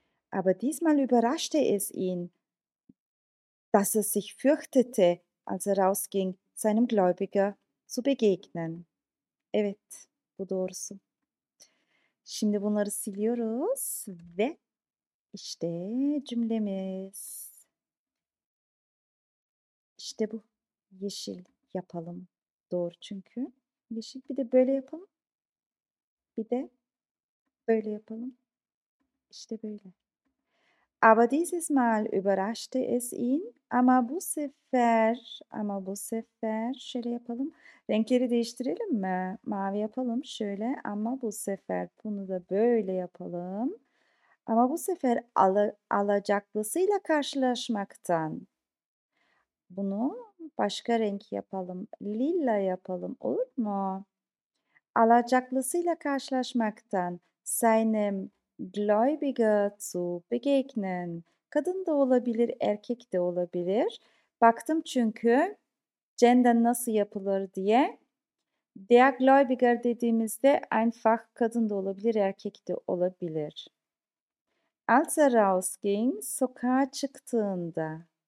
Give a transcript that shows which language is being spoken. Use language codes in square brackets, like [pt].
[de] Aber diesmal überraschte es ihn, dass er sich fürchtete, als er rausging, seinem Gläubiger [tr] Supergegnen. Evet, bu doğrusu. Şimdi bunları siliyoruz ve işte cümlemiz. İşte bu. Yeşil yapalım. Doğru çünkü. Yeşil. Bir de böyle yapalım. Bir de böyle yapalım. İşte böyle. [de] Aber dieses Mal überraschte es ihn. [tr] Ama bu sefer şöyle yapalım. Renkleri değiştirelim mi? Mavi yapalım şöyle. Ama bu sefer bunu da böyle yapalım. Ama bu sefer alacaklısıyla karşılaşmaktan. Bunu başka renk yapalım. Lila yapalım, olur mu? Alacaklısıyla karşılaşmaktan. [de] Seinem Gläubiger zu begegnen. [tr] Kadın da olabilir, erkek de olabilir. Baktım çünkü gender nasıl yapılır diye. Der Gläubiger dediğimizde einfach kadın da olabilir, erkek de olabilir. [de] Als er rausging, [tr] sokağa çıktığında.